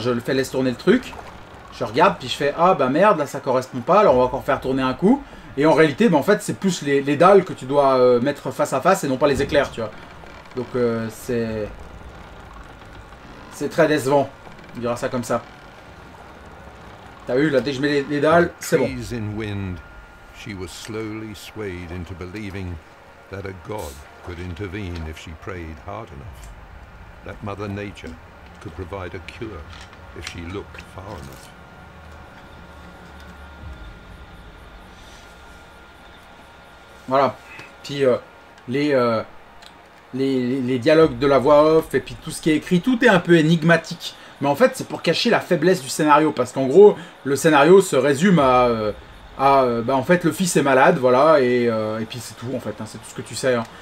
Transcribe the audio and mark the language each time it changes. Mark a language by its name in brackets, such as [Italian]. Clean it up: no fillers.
[French] Je le fais, laisse tourner le truc. Je regarde, puis je fais, ah bah merde, là ça correspond pas, alors on va encore faire tourner un coup. Et en réalité, bah en fait, c'est plus les dalles que tu dois mettre face à face et non pas les éclairs, tu vois. Donc c'est très décevant, on dira ça comme ça. T'as vu, là, dès que je mets les dalles, c'est bon. [English] Trees in wind, she was slowly swayed into believing that a god could intervene if she prayed hard enough. That Mother Nature could provide a cure if she looked far enough. [French] Voilà, puis les dialogues de la voix off et puis tout ce qui est écrit, tout est un peu énigmatique. Mais en fait, c'est pour cacher la faiblesse du scénario, parce qu'en gros, le scénario se résume en fait, le fils est malade, voilà, et puis c'est tout, en fait, hein, c'est tout ce que tu sais. Hein.